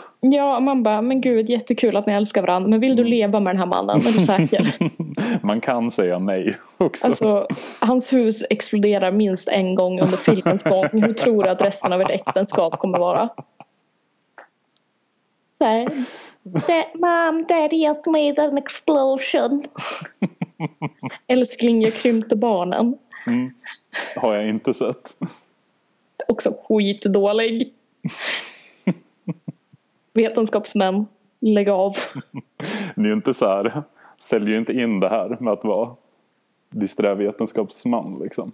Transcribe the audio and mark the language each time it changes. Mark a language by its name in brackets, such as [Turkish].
[Swedish] Ja, man bara, men gud, jättekul att ni älskar varandra. Men vill du leva med den här mannen? Är du säker? Man kan säga nej också. Alltså, hans hus exploderar minst en gång under filmens gång. Hur tror du att resten av ett äktenskap kommer vara? Så här. [English] Mom, daddy, help me, an explosion. [Swedish] Älskling, jag krympte barnen. Mm. Har jag inte sett. Också skitdålig. Vetenskapsmän, lägg av. Ni är inte så här, säljer ju inte in det här med att vara disträ vetenskapsman liksom.